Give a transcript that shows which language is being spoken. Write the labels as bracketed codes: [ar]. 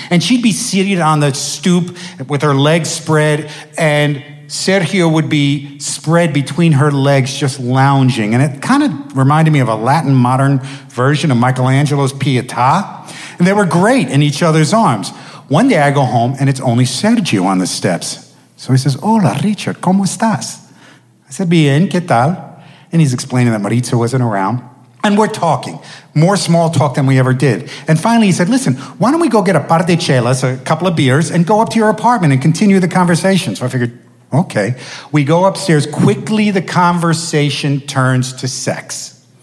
[en] And she'd be seated on the stoop with her legs spread, and Sergio would be spread between her legs, just lounging. And it kind of reminded me of a Latin modern version of Michelangelo's Pietà. And they were great in each other's arms. One day I go home, and it's only Sergio on the steps. So he says, [es] hola, Richard, ¿cómo estás? [en] I said, [es] bien, ¿qué tal? [en] And he's explaining that Maritza wasn't around. And we're talking, more small talk than we ever did. And finally he said, listen, why don't we go get a [es] par de chelas, [en] a couple of beers, and go up to your apartment and continue the conversation. So I figured, okay. We go upstairs. Quickly, the conversation turns to sex.